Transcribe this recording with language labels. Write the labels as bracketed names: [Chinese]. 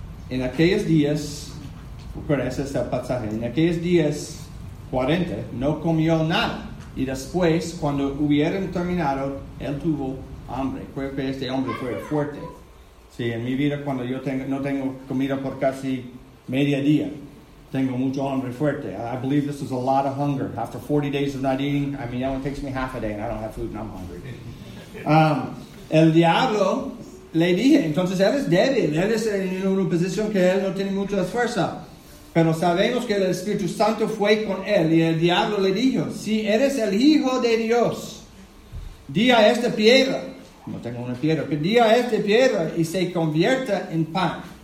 [Spanish] En aquellos días, ¿recuerdas ese pasaje? En aquellos días, 40, no comió nada. Y después, cuando hubieran terminado, él tuvo hambre. Creo que este hombre fue fuerte. Sí, en mi vida, cuando yo no tengo comida por casi media día, tengo mucho hambre fuerte. [English] I believe this is a lot of hunger. After 40 days of not eating, I mean, that one takes me half a day and I don't have food and I'm hungry. [Spanish] El diablo le dije, entonces él es débil, él es en una posición que él no tiene mucha fuerza. Pero sabemos que el Espíritu Santo fue con él y el diablo le dijo, si eres el Hijo de Dios, di a esta piedra, no tengo una piedra, pero di a esta piedra y se convierta en pan.